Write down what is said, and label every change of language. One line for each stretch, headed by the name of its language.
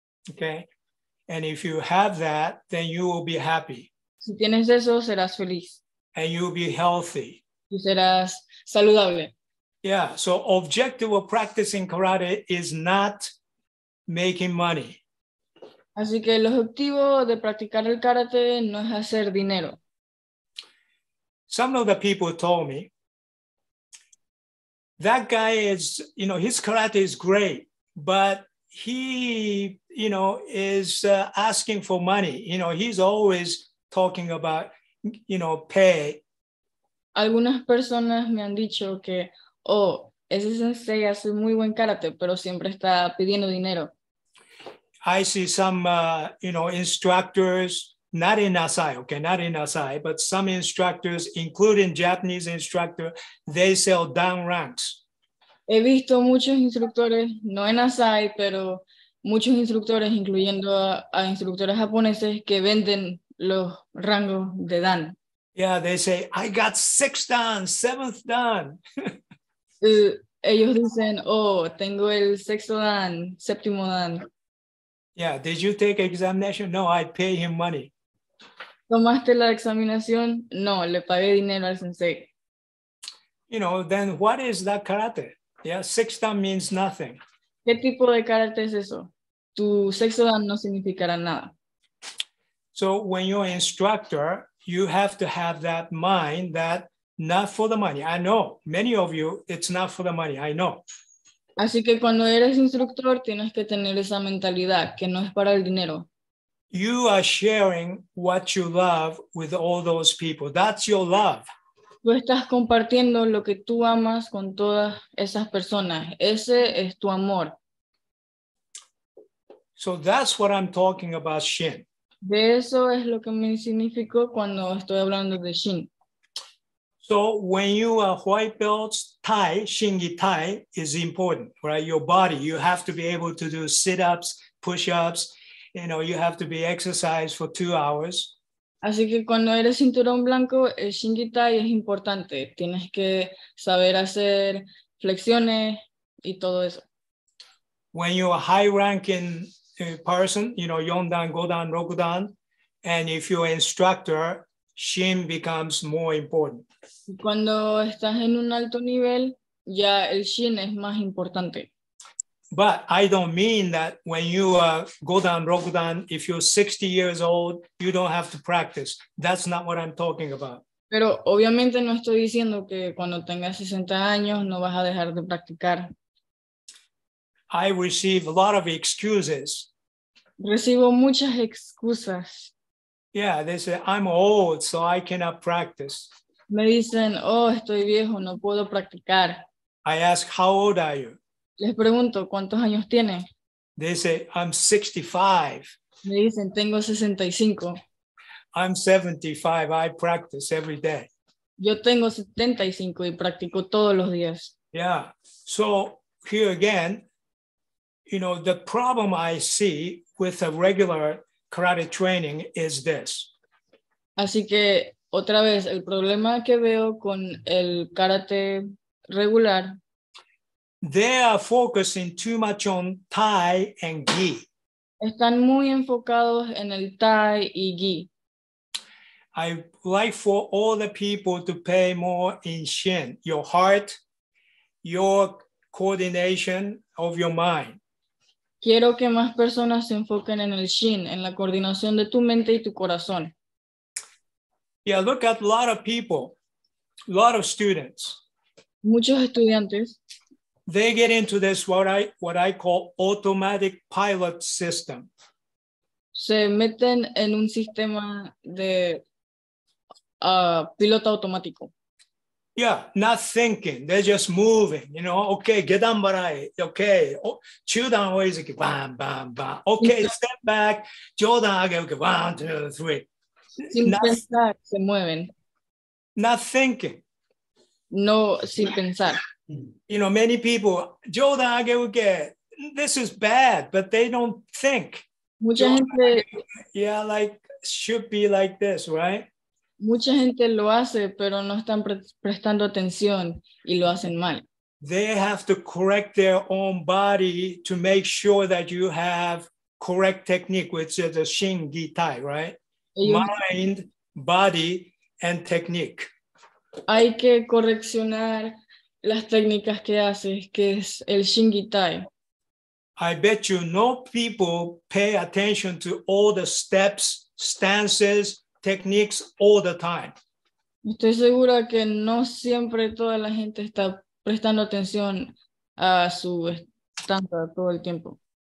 English: Okay. And if you have that, then you will be happy.
Spanish: Si tienes eso, serás feliz.
English: And you will be healthy.
Spanish: Y serás saludable.
English: Yeah. So objective of practicing karate is not making money.
Spanish: Así que el objetivo de practicar el karate no es hacer dinero.
English: Some of the people told me, that guy is, you know, his karate is great, but he, you know, is asking for money. You know, he's always talking about, you know, pay.
Spanish: Algunas personas me han dicho que, oh, ese sensei hace muy buen karate, pero siempre está pidiendo dinero.
English: I see some, you know, instructors, not in ASAI, okay, not in ASAI, but some instructors, including Japanese instructor, they sell down ranks.
Spanish: He visto muchos instructores, no en ASAI, pero muchos instructores, incluyendo a instructores japoneses, que venden los rangos de dan.
English: Yeah, they say, I got sixth dan, seventh dan.
Spanish: ellos dicen, oh, tengo el sexto dan, séptimo dan.
English: Yeah, did you take examination? No, I pay him money.
Spanish: ¿Tomaste la examinación? No, le pagué dinero al sensei.
English: You know, then what is that karate? Yeah, sixth dan means nothing.
Spanish: ¿Qué tipo de karate es eso? Tu sexto dan no significará nada.
English: So when you're an instructor, you have to have that mind that not for the money. I know many of you, it's not for the money. I know.
Spanish: Así que cuando eres instructor, tienes que tener esa mentalidad que no es para el dinero.
English: You are sharing what you love with all those people. That's your love.
Spanish: Tú estás compartiendo lo que tú amas con todas esas personas. Ese es tu amor.
English: So that's what I'm talking about, Shin.
Spanish: De eso es lo que me significó cuando estoy hablando de Shin.
English: So when you are white belt, Tai, Shin Gi Tai is important, right? Your body, you have to be able to do sit-ups, push-ups, you know, you have to be exercised for 2 hours.
Spanish: Así que cuando eres cinturón blanco, el Shin Gi Tai es importante. Tienes que saber hacer flexiones y todo eso.
English: When you are high-ranking person, you know, Yondan, Godan, Rokudan, and if you're instructor, Shin becomes more important.
Spanish: Cuando estás en un alto nivel, ya el Shin es más importante.
English: But I don't mean that when you are Godan, Rokudan, if you're 60 years old, you don't have to practice. That's not what I'm talking about.
Spanish: Pero obviamente no estoy diciendo que cuando tengas 60 años no vas a dejar de practicar.
English: I receive a lot of excuses.
Spanish: Recibo muchas excusas.
English: Yeah, they say, I'm old, so I cannot practice.
Spanish: Me dicen, oh, estoy viejo, no puedo practicar.
English: I ask, how old are you?
Spanish: Les pregunto, ¿cuántos años tiene?
English: They say, I'm 65.
Spanish: Me dicen, tengo 65.
English: I'm 75, I practice every day.
Spanish: Yo tengo 75 y practico todos los días.
English: Yeah, so here again, you know, the problem I see with a regular karate training is this.
Spanish: Así que, otra vez, el problema que veo con el karate regular.
English: They are focusing too much on Tai and Gi.
Spanish: Están muy enfocados en el Tai y Gi.
English: I like for all the people to pay more in Shin, your heart, your coordination of your mind.
Spanish: Quiero que más personas se enfoquen en el Shin, en la coordinación de tu mente y tu corazón.
English: Yeah, look at a lot of people, a lot of students.
Spanish: Muchos estudiantes.
English: They get into this what I call automatic pilot system.
Spanish: Se meten en un sistema de piloto automático.
English: Yeah, not thinking. They're just moving, you know. Okay, gedanbarai. Okay. Oh, chudan oizuki. Bam, bam, bam. Okay, step back. Jodan age. Okay, one, two, three.
Spanish: Sin pensar, se mueven.
English: Not thinking.
Spanish: No, sin pensar.
English: You know, many people, jodan age. Okay, this is bad, but they don't think.
Spanish: Mucha gente.
English: Yeah, like, should be like this, right?
Spanish: Mucha gente lo hace, pero no están prestando atención y lo hacen mal.
English: They have to correct their own body to make sure that you have correct technique, which is the Shin Gi Tai, right? Mind, body, and technique.
Spanish: Hay que correccionar las técnicas que haces, que es el Shin Gi Tai.
English: I bet you no people pay attention to all the steps, stances, techniques all the time.
Spanish: Estoy segura que no siempre toda la gente está prestando atención a su estancia todo el tiempo.